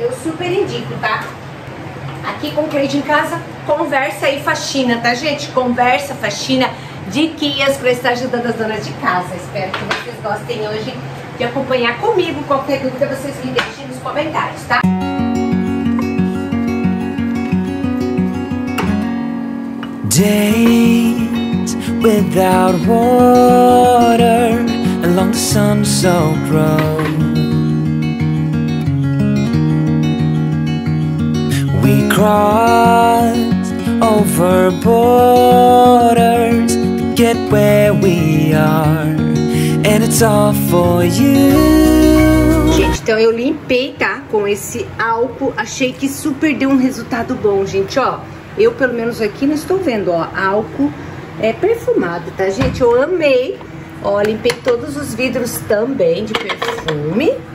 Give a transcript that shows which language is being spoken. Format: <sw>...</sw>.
<pt>Eu super indico, tá? Aqui com o cliente em casa, conversa aí, faxina, tá, gente? Conversa, faxina, diquinhas pra estar ajudando as donas de casa. Espero que vocês gostem hoje de acompanhar comigo. Qualquer dúvida, vocês me deixem nos comentários, tá?</pt> <en>Days without water along the sun-soaked road. We crossed over borders to get where we are, and it's all for you.</en> <pt>Gente, então eu limpei, tá? Com esse álcool, achei que super deu um resultado bom, gente, ó. Eu, pelo menos aqui, não estou vendo, ó, álcool é perfumado, tá, gente? Eu amei, ó, limpei todos os vidros também de perfume.</pt>